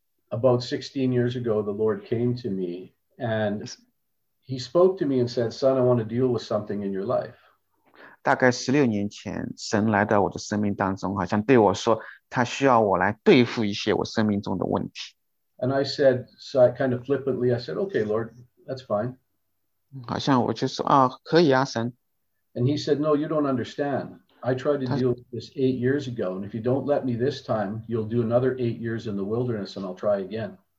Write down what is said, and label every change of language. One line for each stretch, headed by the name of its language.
English: About 16 years ago, the Lord came to me and he spoke to me and said, Son, I want to deal with something in your life.
Chinese: 大概16年前，神来到我的生命当中，好像对我说，他需要我来对付一些我生命中的问题。
English: And I said, so I kind of flippantly, I said, okay, Lord, that's fine.
Chinese: 好像我就说啊，可以啊，神。
English: And he said, no, you don't understand. I tried to deal with this 8 years ago, and if you don't let me this time, you'll do another 8 years in the wilderness, and I'll try again.